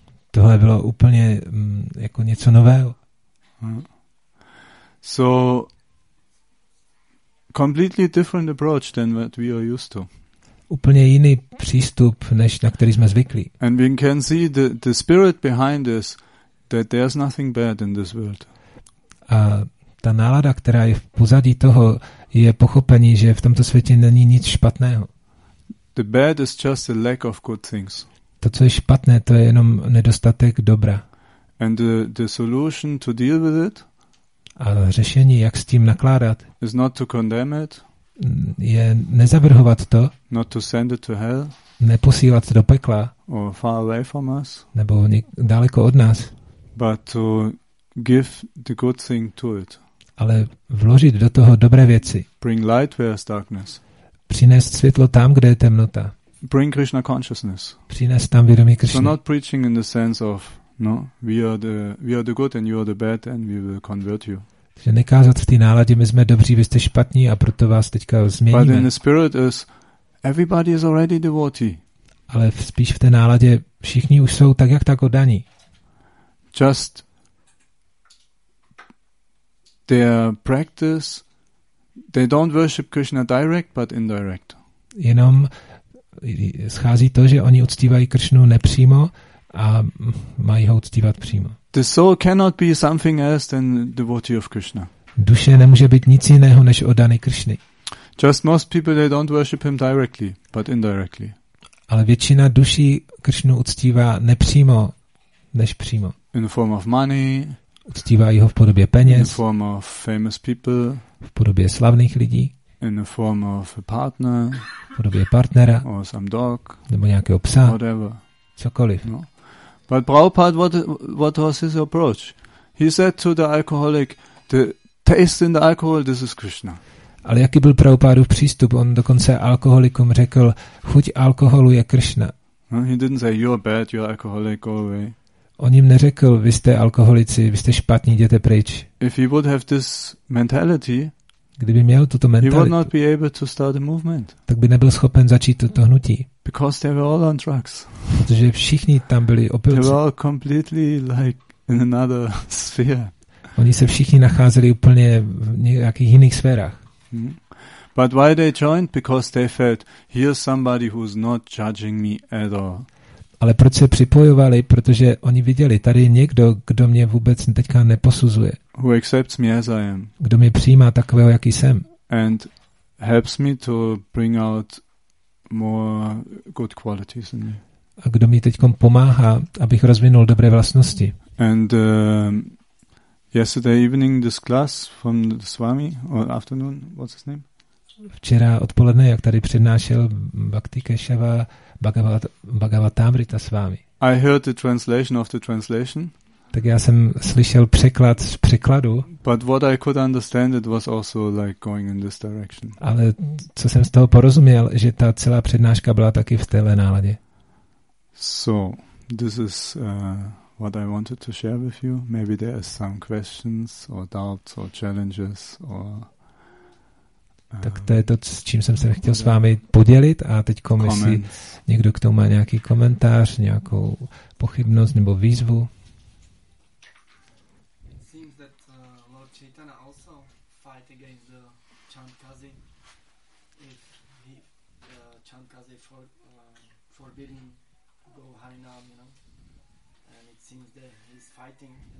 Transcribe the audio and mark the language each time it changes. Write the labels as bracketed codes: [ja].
[cs] Tohle bylo úplně jako něco nového. [en] So completely different approach than what we are used to. [cs] Úplně jiný přístup, než na který jsme zvyklí. [en] And we can see the spirit behind this, that there's nothing bad in this world. [cs] A ta nálada, která je v pozadí toho, je pochopení, že v tomto světě není nic špatného. [en] The bad is just a lack of good things. [cs] To, co je špatné, to je jenom nedostatek dobra. [en] And the solution to deal with it. [cs] A řešení, jak s tím nakládat, [en] is not to condemn it, [cs] je nezavrhovat to, [en] not to send it to hell, [cs] neposílat do pekla, [en] or far away from us, [cs] nebo daleko od nás, [en] but to give the good thing to it, [cs] ale vložit do toho dobré věci, [en] bring light where is darkness, [cs] přinést světlo tam, kde je temnota, [en] bring Krishna consciousness, [cs] přinést tam vědomí Krishna. [en] So not preaching in the sense of no, we are the good and you are the bad and we will convert you. [cs] Že nekázat v té náladě, my jsme dobří, vy jste špatní a proto vás teďka změníme. [en] But in the spirit is everybody is already devotee. [cs] Ale spíš v té náladě všichni už jsou tak jak tak oddaní. [en] Just their practice, they don't worship Krishna direct, but indirect. [cs] Jenom schází to, že oni uctívají Kršnu nepřímo, a mají ho uctívat přímo. [en] The soul cannot be something else than devotee of Krishna. [cs] Duše nemůže být nic jiného než oddaný Krishny. [en] Just most people they don't worship him directly, but indirectly. [cs] Ale většina duší Krishnu uctívá nepřímo, než přímo. [en] In the form of money. [cs] Uctívá jeho v podobě peněz. [en] In the form of famous people. [cs] V podobě slavných lidí. [en] In the form of a partner. [cs] V podobě partnera. [en] Or some dog. [cs] Nebo nějakého psa. [en] Whatever. [cs] Cokoliv. [en] No. But Prabhupada, what was his approach? He said to the alcoholic, the taste in the alcohol, this is Krishna. [cs] Ale jaký byl Prabhupádův přístup? On dokonce alkoholikům řekl, chuť alkoholu je Krishna. [en] No, he didn't say, you're bad, you're alcoholic, go away. [cs] On jim neřekl, vy jste alkoholici, vy jste špatní, jděte pryč. [en] If he would have this mentality, [cs] kdyby měl tuto mentalitu, [en] he would not be able to start a movement. [cs] Tak by nebyl schopen začít toto hnutí. [en] Because they were all on drugs. [cs] Protože všichni tam byli opilci. [en] They were all completely like in another sphere. [cs] Oni se všichni nacházeli úplně v nějakých jiných sférách. [en] But why they joined? Because they felt here's somebody who's not judging me at all. [cs] Ale proč se připojovali? Protože oni viděli, tady někdo, kdo mě vůbec teďka neposuzuje. [en] Who accepts me as I am. [cs] Kdo mě přijímá takového, jaký jsem. [en] And helps me to bring out more good qualities in me. [cs] A kdo mi teďkom pomáhá, abych rozvinul dobré vlastnosti. [en] And yesterday evening this class from the Swami, or afternoon, what's his name? [cs] Včera odpoledne, jak tady přednášel Bhakti Keshava Bhagavatamrita s vámi. [en] I heard the translation of the translation. [cs] Tak já jsem slyšel překlad z překladu. [en] But what I could understand it was also like going in this direction. [cs] Ale co jsem z toho porozuměl, že ta celá přednáška byla taky v téhle náladě. [en] So, this is what I wanted to share with you. Maybe there are some questions or doubts or challenges or [cs] tak to je to, s čím jsem se chtěl s vámi podělit a teď komisí někdo k tomu má nějaký komentář, nějakou pochybnost nebo výzvu. [en] Seems that Lord Chaitanya also fight against the Chandkazi. If he, Chandkazi forbidding go Harinam, you know, and it seems that he's fighting.